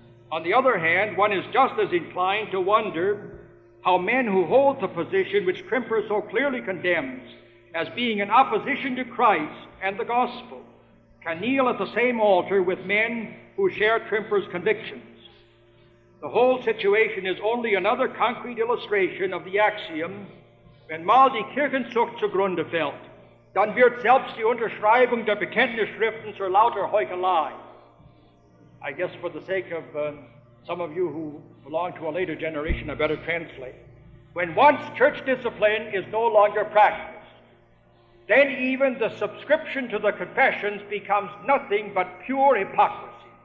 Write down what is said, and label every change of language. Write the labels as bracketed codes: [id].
[en] On the other hand, one is just as inclined to wonder how men who hold the position which Trimper so clearly condemns as being in opposition to Christ and the gospel can kneel at the same altar with men who share Trimper's convictions. The whole situation is only another concrete illustration of the axiom, [de] wenn mal die Kirchenzucht zugrunde fällt, dann wird selbst die Unterschreibung der Bekenntnisschriften zur lauter Heuchelei. [en] I guess for the sake of some of you who belong to a later generation, I better translate. When once church discipline is no longer practiced, then even the subscription to the confessions becomes nothing but pure hypocrisy.